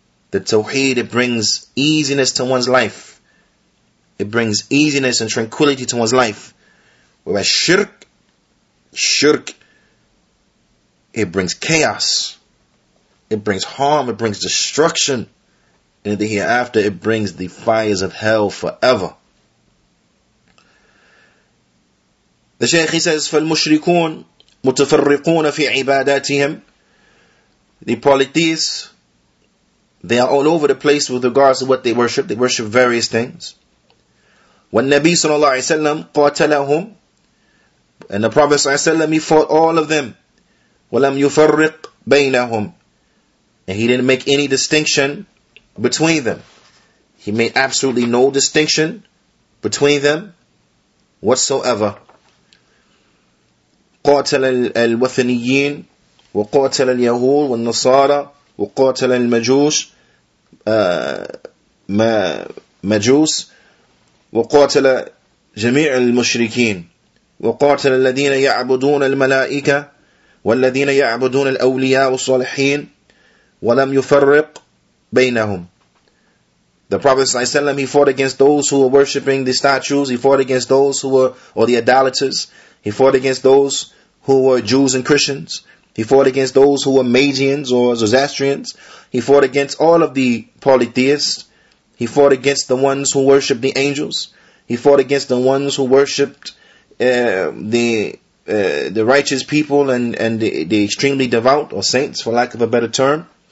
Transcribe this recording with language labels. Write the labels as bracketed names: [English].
[English] The Tawheed, it brings easiness to one's life. It brings easiness and tranquility to one's life. Whereas Shirk, it brings chaos. It brings harm, it brings destruction. And in the hereafter, it brings the fires of hell forever. The Shaykh, he says, فالمشركون متفرقون في عباداتهم. The polytheists, they are all over the place with regards to what they worship. They worship various things. والنبي صلى الله عليه وسلم قاتلهم. And the Prophet صلى الله عليه وسلم, he fought all of them. ولم يفرق بينهم. And he didn't make any distinction between them. He made absolutely no distinction between them whatsoever. [Arabic] قاتل الوثنيين وقاتل اليهود والنصارى وقاتل المجوس مجوس وقاتل جميع المشركين وقاتل الذين يعبدون الملائكة والذين يعبدون الأولياء والصالحين ولم يفرق بينهم. [English] The Prophet صلى الله عليه وسلم, he fought against those who were worshipping the statues. He fought against those who were, or the idolaters. He fought against those who were Jews and Christians. He fought against those who were Magians or Zoroastrians. He fought against all of the polytheists. He fought against the ones who worshipped the angels. He fought against the ones who worshipped the righteous people and the extremely devout or saints, for lack of a better term.